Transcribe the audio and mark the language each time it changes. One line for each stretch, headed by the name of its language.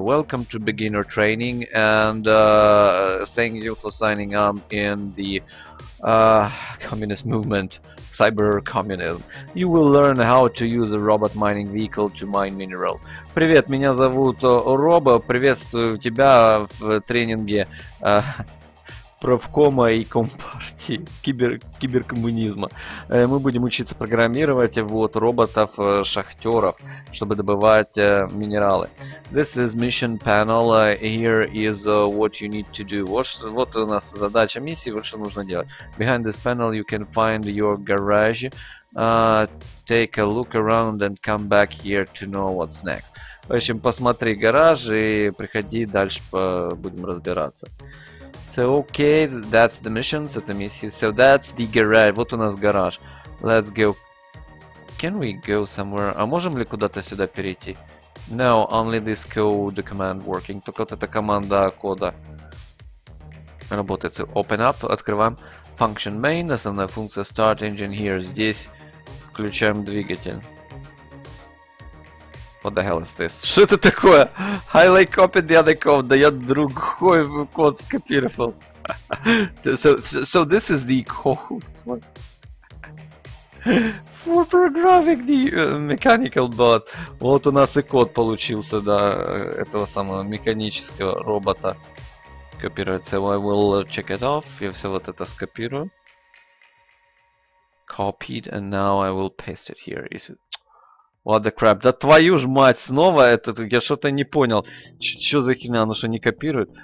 English: Welcome to beginner training and thank you for signing up in the communist movement, cyber communism. You will learn how to use a robot mining vehicle to mine minerals.
Russian: Привет, меня зовут Роб. Приветствую тебя в тренинге правкома и компартии киберкоммунизма. Мы будем учиться программировать вот роботов-шахтеров, чтобы добывать минералы.
English: This is mission panel. Here is what you need to do.
Russian: Вот у нас задача миссии, вот что нужно делать.
English: Behind this panel you can find your garage. Take a look around and come back here to know what's next.
Russian: В общем, посмотри гараж и приходи, дальше будем разбираться.
English: So okay, that's the mission, so the mission. So that's the garage.
Russian: Вот у нас гараж.
English: Let's go. Can we go somewhere?
Russian: А можем ли куда-то сюда перейти?
English: No, only this code command working.
Russian: Только вот эта команда кода работает.
English: So open up,
Russian: открываем.
English: Function main,
Russian: основная функция.
English: Start engine here.
Russian: Здесь включаем двигатель.
English: What the hell is this?
Russian: Что это такое?
English: Highlight copied the other code.
Russian: Да я другой код скопировал.
English: So this is the code for programming the mechanical bot.
Russian: Вот у нас и код получился, да, этого самого механического робота. Копируется.
English: So I will check it off.
Russian: Я все вот это скопирую.
English: Copied and now I will paste it here. Is it... What the crap?
Russian: Да твою ж мать, снова этот, я что-то не понял. Чё за хрена, оно что, не копирует?